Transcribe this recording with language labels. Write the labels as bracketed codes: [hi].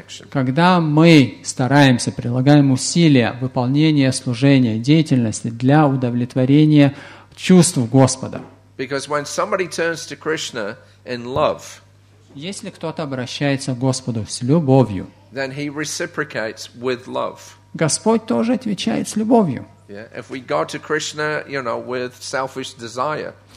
[ru] Когда мы стараемся, прилагаем усилия выполнения служения, деятельности для удовлетворения чувств Господа. [en] Because when somebody turns to Krishna in love, [ru] если кто-то обращается к Господу с любовью, [en] then he reciprocates with love. [ru] Господь тоже отвечает с любовью. [en] Yeah. If we go to Krishna, you know, with selfish desire.